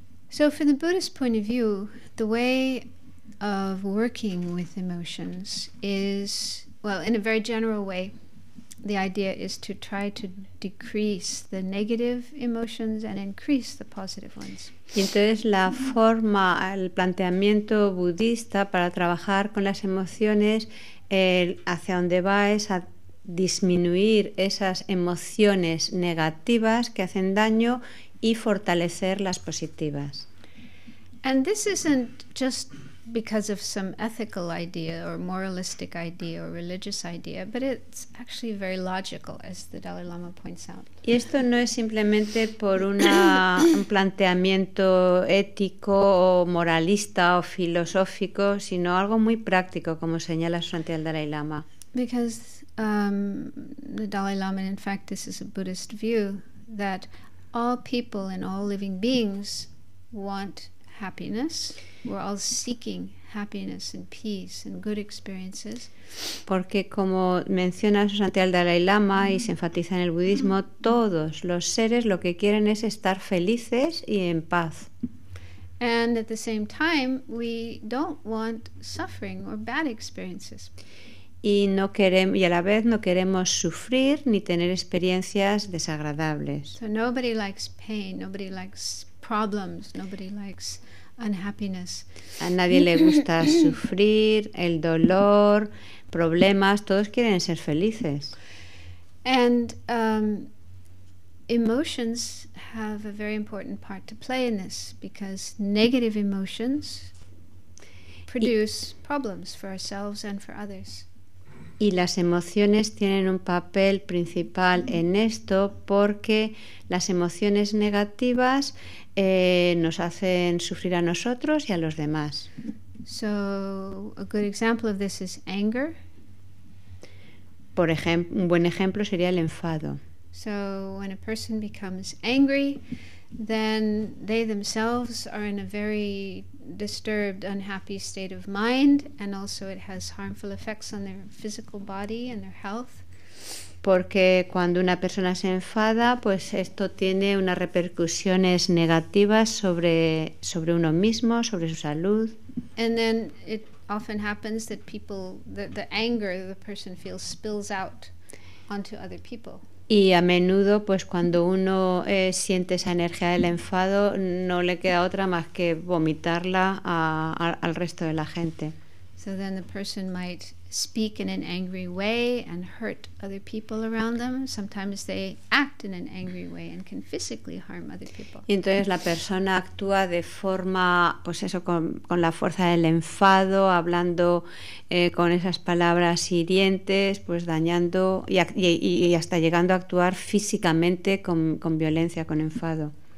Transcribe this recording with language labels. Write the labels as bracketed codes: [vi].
[en] So from the Buddhist point of view, the way of working with emotions is, well, in a very general way, the idea is to try to decrease the negative emotions and increase the positive ones. [es] Y entonces la forma, el planteamiento budista para trabajar con las emociones, hacia donde va es a disminuir esas emociones negativas que hacen daño y fortalecer las positivas. [en] And this isn't just because of some ethical idea or moralistic idea or religious idea, but it's actually very logical, as the Dalai Lama points out. [es] Y esto no es simplemente por un planteamiento ético o moralista o filosófico, sino algo muy práctico, como señala Santi al Dalai Lama. [en] Because the Dalai Lama, in fact, this is a Buddhist view that all people and all living beings want happiness. We're all seeking happiness and peace and good experiences. [es] Porque como menciona Santi al Dalai Lama y se enfatiza en el budismo, todos los seres lo que quieren es estar felices y en paz. [en] And at the same time, we don't want suffering or bad experiences. [es] Y a la vez no queremos sufrir ni tener experiencias desagradables. [en] So nobody likes pain, nobody likes problems, nobody likes unhappiness. [es] A nadie le gusta sufrir, el dolor, problemas, todos quieren ser felices. [en] And emotions have a very important part to play in this, because negative emotions produce problems for ourselves and for others. [es] Y las emociones tienen un papel principal en esto, porque las emociones negativas nos hacen sufrir a nosotros y a los demás. [en] So, a good example of this is anger. [es] Por ejemplo, un buen ejemplo sería el enfado. [en] So, when a person becomes angry, then they themselves are in a very disturbed, unhappy state of mind, and also it has harmful effects on their physical body and their health. [es] Porque cuando una persona se enfada, pues esto tiene unas repercusiones negativas sobre uno mismo, sobre su salud. [en] And then it often happens that people, the anger that the person feels spills out onto other people. [es] Y a menudo, pues cuando uno siente esa energía del enfado, no le queda otra más que vomitarla al resto de la gente. [en] So then the person might speak in an angry way and hurt other people around them. Sometimes they act in an angry way and can physically harm other people. [es] Y entonces la persona actúa de forma, pues eso, con la fuerza del enfado, hablando con esas palabras hirientes, pues dañando y hasta llegando a actuar físicamente con violencia, con enfado.